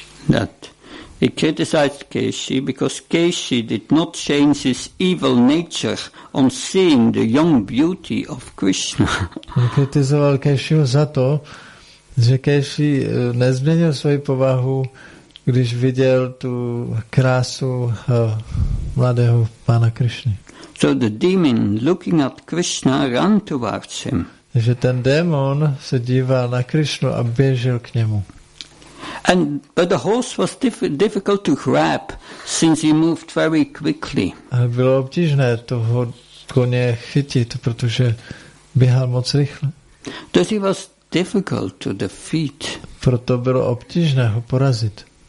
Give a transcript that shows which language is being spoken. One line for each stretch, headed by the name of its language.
English: That he criticized Keshi because Keshi did not change his evil nature on seeing the young beauty of Krishna.
Czech: Kritizoval Keshiho za to, že Keshi nezměnil svoji povahu, když viděl tu krásu mladého pána Krišny.
English: So the demon looking at Krishna ran towards him.
Czech: Že ten démon se díval na Krišnu a běžel k němu.
English: And but the horse was difficult to grab since he moved very quickly.
Czech: A bylo obtížné toho koně chytit, protože běhal moc rychle.
English: Thus he was difficult to defeat.
Czech: Proto bylo obtížné ho porazit.